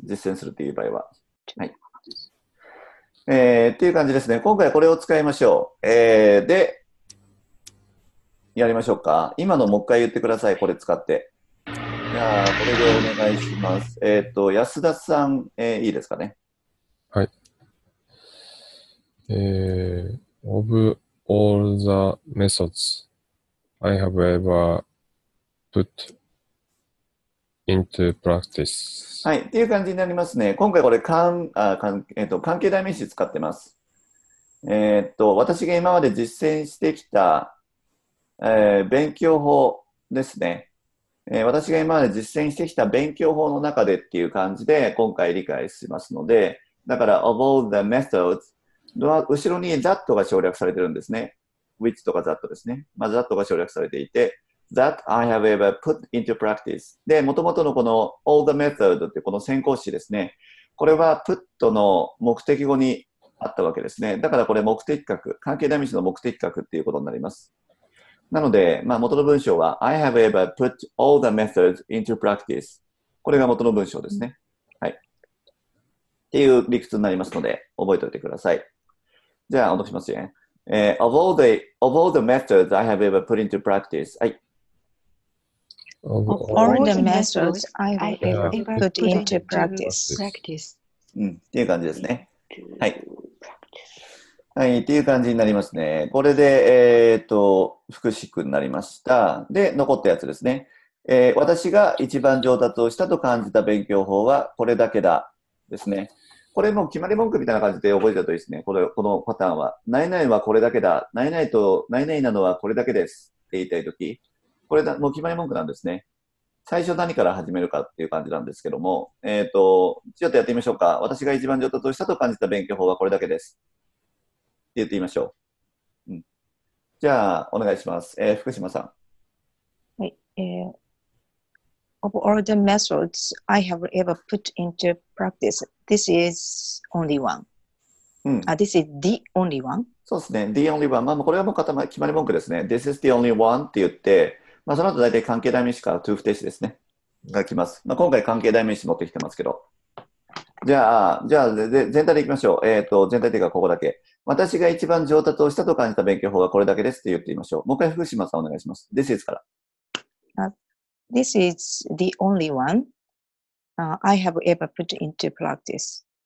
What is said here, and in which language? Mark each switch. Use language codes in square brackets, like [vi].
[ja] 実践するっていう場合は。はい。っていう感じですね。今回これを使いましょう。で、やりましょうか。今のもう一回言ってください。これ使って。じゃあ、これでお願いします。安田さん、いいですかね。はい。 [en] of all the methods I have ever put. into practice. [ja] はい。っていう感じになりますね。今回これ関係代名詞使ってます。私が今まで実践してきた、勉強法ですね、私が今まで実践してきた勉強法の中でっていう感じで今回理解しますので、だから [en] of all the methods [ja] の後ろに that が省略されてるんですね。 which とか that ですね。まあ that が省略されていて、 [en] That I have ever put into practice. [ja] で、もともとのこの [en] all the method [ja] ってこの先行詞ですね。これは put の目的語にあったわけですね。だからこれ目的格、関係代名詞の目的格っていうことになります。なので、まあ元の文章は [en] I have ever put all the methods into practice. [ja] これが元の文章ですね。はい。っていう理屈になりますので、覚えておいてください。じゃあ、お願いしますね。 [en] of all the methods I have ever put into practice. [ja] はい。 [en] Of all the methods I have ever put into practice. [ja] うん、っていう感じですね。はい。はい、っていう感じになりますね。これで、副詞句になりました。で、残ったやつですね。私が一番上達をしたと感じた勉強法はこれだけだ。ですね。これも決まり文句みたいな感じで覚えてたといいですね。このパターンは。何々はこれだけだ。何々と何々なのはこれだけです。って言いたいとき。これだ、もう決まり文句なんですね。最初何から始めるかっていう感じなんですけども、ちょっとやってみましょうか。私が一番上達をしたと感じた勉強法はこれだけです。言ってみましょう。うん、じゃあ、お願いします。福島さん。はい。 [en] Of all the methods I have ever put into practice, this is only one. This is the only one? [ja] そうですね。 [en] The only one。 [ja] まあ、これはもう決まり文句ですね。 [en] This is the only one [ja] って言って、まあ、その後大体関係代名詞から to 不定詞ですね。が来ます。まあ、今回関係代名詞持ってきてますけど。じゃあ全体でいきましょう。全体的にはここだけ。私が一番上達をしたと感じた勉強法はこれだけですって言ってみましょう。もう一回福島さんお願いします。 [en] This is から。 This is the only one、I have ever put into practice.